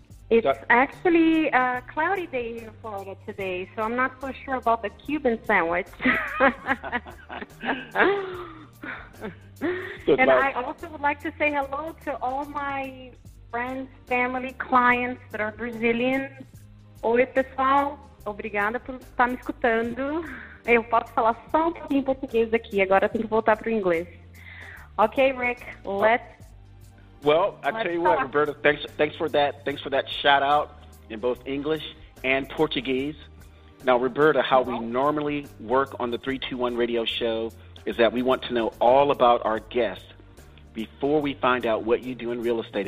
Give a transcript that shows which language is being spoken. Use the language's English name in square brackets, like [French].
[English] It's actually a cloudy day here in Florida today, so I'm not so sure about the Cuban sandwich. And I also would like to say hello to all my friends, family, clients that are Brazilian. [Portuguese] Oi, pessoal. Obrigada por estar me escutando. Eu posso falar só um pouquinho em português aqui. Agora eu tenho que voltar para o inglês. [English] Okay, Rick, let's tell you what, Roberta, thanks for that shout out in both English and Portuguese. Now, Roberta, how we normally work on the 321 radio show is that we want to know all about our guests before we find out what you do in real estate.